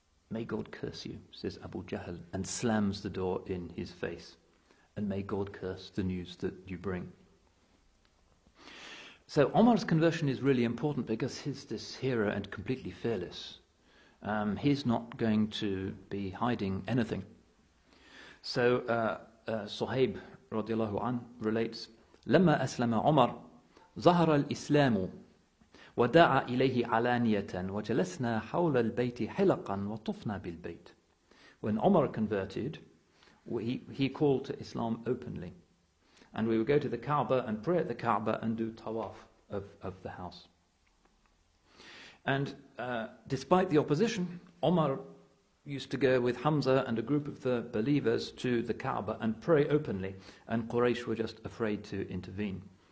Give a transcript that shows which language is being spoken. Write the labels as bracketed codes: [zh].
[en] May God curse you, says Abu Jahl, and slams the door in his face. And may God curse the news that you bring. So Umar's conversion is really important because he's this hero and completely fearless. He's not going to be hiding anything. So Suhaib radiallahu anh relates, [ar] لما أسلم عمر ظهر الإسلام ودعا إليه علانية وجلسنا حول البيت حلقا وطفنا بالبيت. [en] When Umar converted, he called to Islam openly. And we would go to the Kaaba and pray at the Kaaba and do tawaf of the house. And despite the opposition, Umar used to go with Hamza and a group of the believers to the Kaaba and pray openly, and Quraysh were just afraid to intervene.